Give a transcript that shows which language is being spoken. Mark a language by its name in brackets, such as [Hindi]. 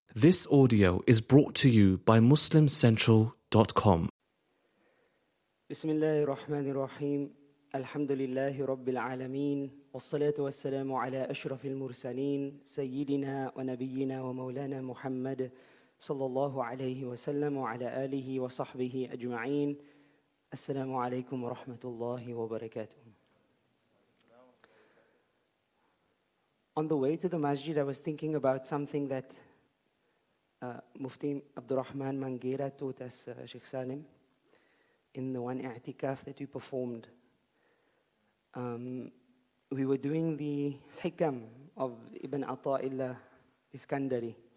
[English] This audio is brought to you by MuslimCentral.com. [Arabic] بسم الله الرحمن الرحيم الحمد لله رب العالمين والصلاة والسلام على أشرف المرسلين سيدنا ونبينا ومولانا محمد صلى الله عليه وسلم وعلى آله وصحبه أجمعين السلام عليكم ورحمة الله وبركاته. [English] On the way to the masjid, I was thinking about something that Mufti Abdurrahman Mangira taught us, Sheikh Salim, in the one i'tikaf that we performed. We were doing the hikam of Ibn Ata'illah Iskandari.